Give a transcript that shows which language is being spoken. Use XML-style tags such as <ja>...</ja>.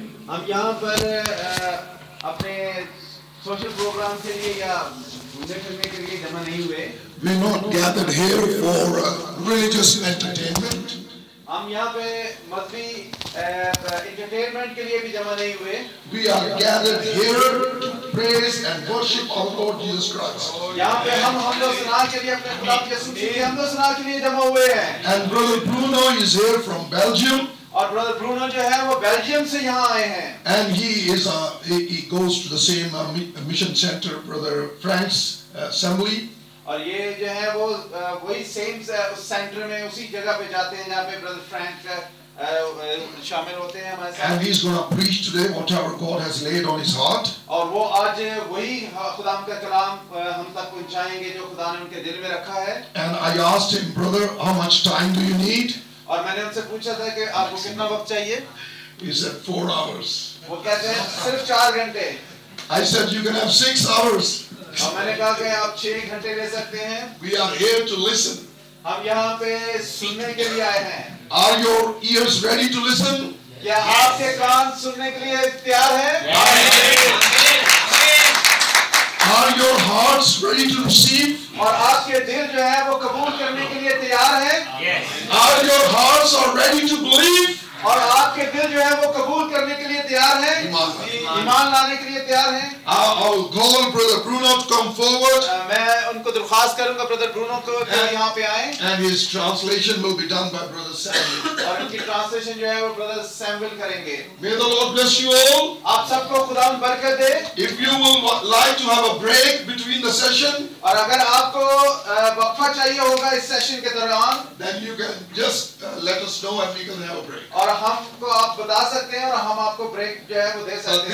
<hi>हम यहाँ पर अपने सोशल प्रोग्राम के लिए या घूमने फिरने के लिए जमा नहीं हुए।</hi> <en>We are not gathered here for religious entertainment.</en> <hi>हम यहाँ पे मजहबी एंटरटेनमेंट के लिए भी जमा नहीं हुए।</hi> <en>We are gathered here to praise and worship our Lord Jesus Christ.</en> <hi>यहाँ पे हम लोग सुनार के लिए अपने खुदा के सुनने के लिए हम लोग सुनार के लिए जमा हुए हैं।</hi> <en>And Brother Bruno is here from Belgium.</en> <hi>और ब्रदर ब्रूनो जो है वो बेल्जियम से यहाँ आए हैं।</hi> <en>And he is he goes to the same mission center, Brother Frank's assembly.</en> <hi>और ये जो है वो वही सेम सेंटर में उसी जगह पे जाते हैं जहाँ पे ब्रदर फ्रैंक शामिल होते हैं हमारे साथ।</hi> <en>And he's going to preach today whatever God has laid on his heart.</en> <hi>और वो आज वही खुदा का कलाम हम तक पहुँचाएंगे जो खुदा ने उनके दिल में रखा है।</hi> <en>And I asked him, brother, how much time do you need?</en> <hi>और मैंने उनसे पूछा था कि आपको कितना वक्त चाहिए?</hi> <en>He said 4 hours.</en> <hi>वो कहते हैं सिर्फ 4 घंटे.</hi> <en>I said you can have 6 hours.</en> <hi>और मैंने कहा कि आप 6 घंटे ले सकते हैं.</hi> <en>We are here to listen.</en> <hi>हम यहाँ पे सुनने के लिए आए हैं.</hi> <en>Are your ears ready to listen?</en> <hi>क्या आपके कान सुनने के लिए तैयार हैं?</hi> <en>Are your hearts ready to receive?</en> <hi>और आपके दिल जो है वो कबूल करने के लिए तैयार हैं?</hi> <en>Yes. Are your hearts are ready to believe?</en> <hi>और आपके दिल जो है वो कबूल करने के लिए तैयार हैं? ईमान लाने के लिए तैयार हैं?</hi> <en>I'll call Brother Bruno to come forward.</en> <hi>मैं उनको दरख्वास्त करूंगा ब्रदर ब्रूनो को कि यहाँ पे आएं।</hi> <en>And his translation will be done by Brother Samuel.</en> <hi>और उनकी ट्रांसलेशन जो है वो ब्रदर सैमुअल करेंगे।</hi> <en>May the Lord bless you all.</en> <hi>आप सबको खुदा बरकत दे।</hi> <en>If you will like to have a break between the session,</en> <hi>और अगर आपको वक्फा चाहिए होगा इस सेशन के दौरान,</hi> <en>then you can just let us know and we can have a break.</en> <hi>और हमको आप बता सकते हैं और हम आपको ब्रेक जो है वो दे सकते हैं।</hi>